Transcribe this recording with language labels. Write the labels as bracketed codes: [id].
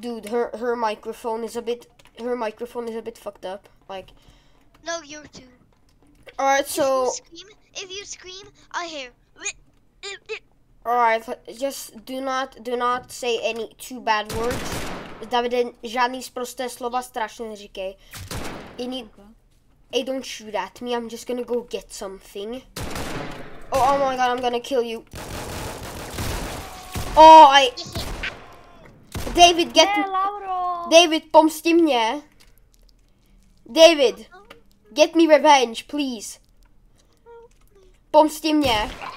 [en] Dude, her microphone is a bit fucked up. Like, no, you're too. Alright, so... If you scream, I hear... Alright, just do not say any too bad words. [cs] Davide, žádný sprosté slova strašně neříkej. [en] Any... Hey, don't shoot at me, I'm just gonna go get something. Oh my god, I'm gonna kill you. Oh, I... David, get... David, [cs] pomsti mě. [en] David, get me revenge, please. [cs] Pomsti mě.